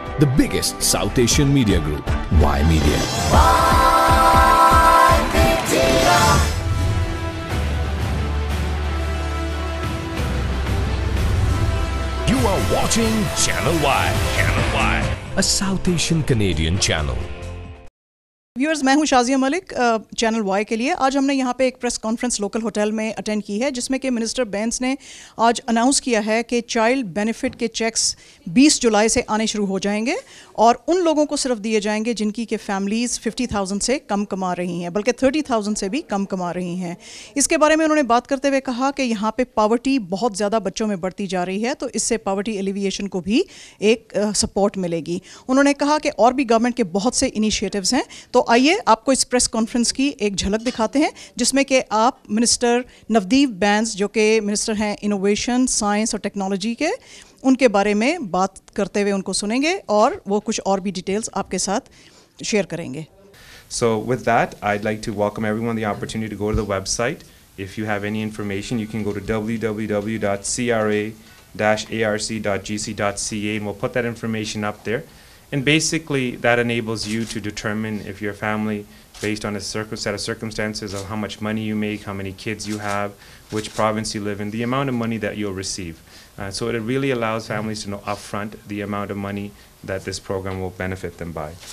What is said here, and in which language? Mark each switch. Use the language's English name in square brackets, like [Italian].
[English] The biggest South Asian media group, Y Media. You are watching Channel Y. Channel Y. A South Asian Canadian channel. [Hindi] Viewers, मैं हूं Shazia Malik channel Y के लिए. आज हमने यहां पे एक प्रेस कॉन्फ्रेंस लोकल होटल में अटेंड की है, जिसमें कि मिनिस्टर बेंस ने आज अनाउंस किया है कि चाइल्ड बेनिफिट के चेक्स 20 जुलाई से आने शुरू हो जाएंगे और उन लोगों को सिर्फ दिए जाएंगे जिनकी के फैमिलीज़ 50,000 से कम कमा रही हैं, बल्कि 30,000 से भी कम कमा रही हैं. इसके बारे में उन्होंने बात करते हुए कहा कि यहाँ पर पावर्टी बहुत ज़्यादा बच्चों में बढ़ती जा रही है, तो इससे पावर्टी एलिविएशन को भी एक सपोर्ट मिलेगी. उन्होंने कहा कि और भी गवर्नमेंट के बहुत से इनिशिएटिव्स हैं, तो आइए आपको इस प्रेस कॉन्फ्रेंस की एक झलक दिखाते हैं, जिसमें कि आप मिनिस्टर नवदीप बैंस, जो कि मिनिस्टर हैं इनोवेशन, साइंस और टेक्नोलॉजी के, उनके बारे में बात करते हुए उनको सुनेंगे और वो कुछ और भी डिटेल्स आपके साथ शेयर करेंगे. [English] So with that I'd like to welcome everyone the opportunity to go to the website. If you have any information you can go to www.cra-arc.gc.ca. We will put that information up there. And basically, that enables you to determine if your family, based on a set of circumstances of how much money you make, how many kids you have, which province you live in, the amount of money that you'll receive. So it really allows families to know upfront the amount of money that this program will benefit them by.